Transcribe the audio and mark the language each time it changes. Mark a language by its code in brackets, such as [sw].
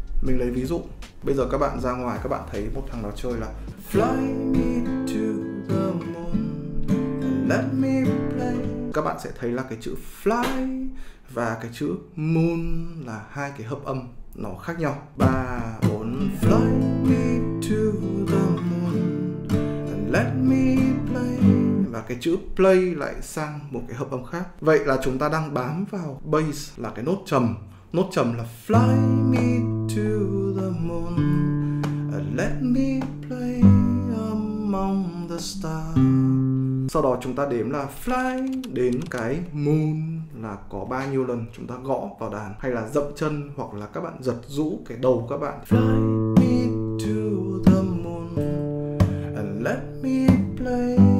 [vi] Mình lấy ví dụ, bây giờ các bạn ra ngoài các bạn thấy một thằng nó chơi là [en] Fly me to the moon, let me play. [vi] Các bạn sẽ thấy là cái chữ fly và cái chữ moon là hai cái hợp âm nó khác nhau. [en] 3, 4, fly me to the moon, let me play. [vi] Và cái chữ play lại sang một cái hợp âm khác. Vậy là chúng ta đang bám vào bass là cái nốt trầm. Nốt trầm là [en] fly me to the moon, let me play among the stars. [vi] Sau đó chúng ta đếm là fly đến cái moon là có bao nhiêu lần chúng ta gõ vào đàn, hay là dậm chân, hoặc là các bạn giật rũ cái đầu các bạn. [en] Fly me to the moon, let me play.